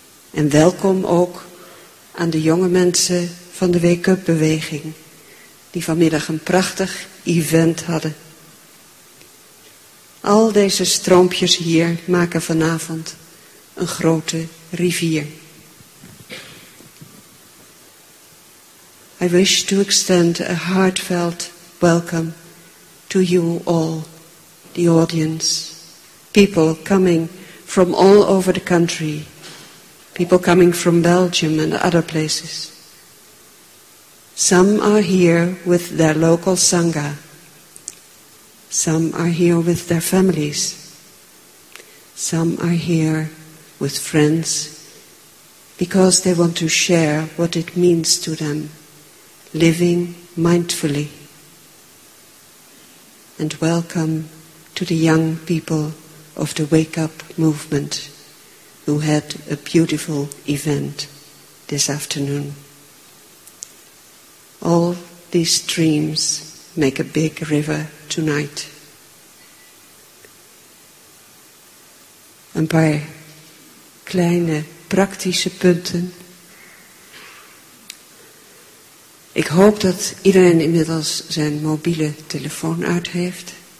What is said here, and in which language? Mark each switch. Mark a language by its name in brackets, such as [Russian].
[Dutch] En welkom ook aan de jonge mensen van de Wake Up Beweging, die vanmiddag een prachtig event hadden. Al deze stroompjes hier maken vanavond een grote rivier. [English] I wish to extend a heartfelt welcome to you all, the audience, people coming from all over the country, people coming from Belgium and other places. Some are here with their local sangha. Some are here with their families. Some are here with friends because they want to share what it means to them, living mindfully. And welcome to the young people of the Wake Up Movement who had a beautiful event this afternoon. All these streams make a big river tonight. [Dutch] Een paar kleine praktische punten. Ik hoop dat iedereen inmiddels zijn mobiele telefoon uit heeft.